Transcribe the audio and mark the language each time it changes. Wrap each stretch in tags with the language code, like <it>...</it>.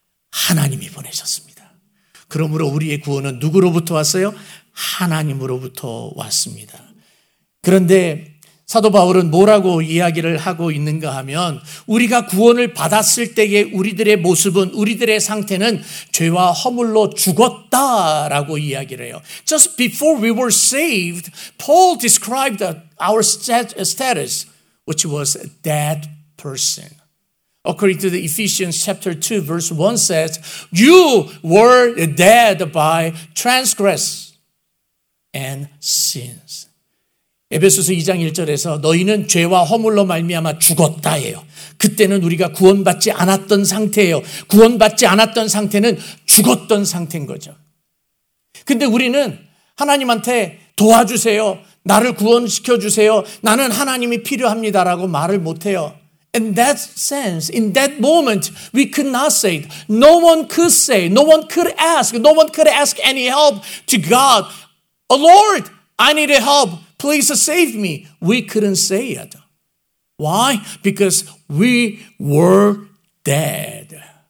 <ko>하나님이 보내셨습니다. 그러므로 우리의 구원은 누구로부터 왔어요? 하나님으로부터 왔습니다. 그런데 사도 바울은 뭐라고 이야기를 하고 있는가 하면 우리가 구원을 받았을 때의 우리들의 모습은 우리들의 상태는 죄와 허물로 죽었다라고 이야기를 해요.</ko> <en>Just before we were saved, Paul described our status, which was a dead person. According to the Ephesians chapter 2, verse 1 says, You were dead by transgress and sins.</en> <ko>에베소서 2장 1절에서 너희는 죄와 허물로 말미암아 죽었다예요. 그때는 우리가 구원받지 않았던 상태예요. 구원받지 않았던 상태는 죽었던 상태인 거죠. 근데 우리는 하나님한테 도와주세요. 나를 구원시켜주세요. 나는 하나님이 필요합니다라고 말을 못해요.</ko> <en>In that sense, in that moment, we could not say it. No one could say, no one could ask, no one could ask any help to God. Oh Lord, I need help. Please save me. We couldn't say it. Why? Because we were dead.</en>